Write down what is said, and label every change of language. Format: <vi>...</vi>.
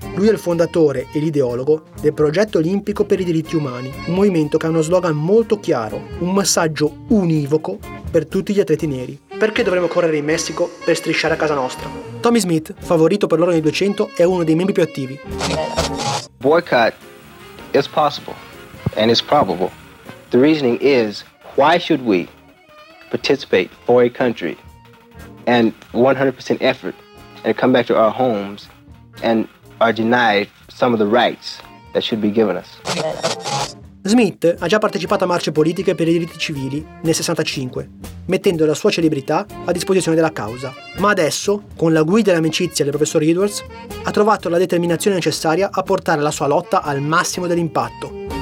<it>Lui è il fondatore e l'ideologo del Progetto Olimpico per i Diritti Umani, un movimento che ha uno slogan molto chiaro, un messaggio univoco per tutti gli atleti neri. Perché dovremmo correre in Messico per strisciare a casa nostra? Tommy Smith, favorito per l'oro nei 200, è uno dei membri più attivi.</it> <en>Boycott is possible and is probable. The reasoning is why should we participate for a country and 100% effort and come back to our homes and are denied some of the rights that should be given us.</en> <it>Smith ha già partecipato a marce politiche per i diritti civili nel 65, mettendo la sua celebrità a disposizione della causa. Ma adesso, con la guida e l'amicizia del professor Edwards, ha trovato la determinazione necessaria a portare la sua lotta al massimo dell'impatto.</it>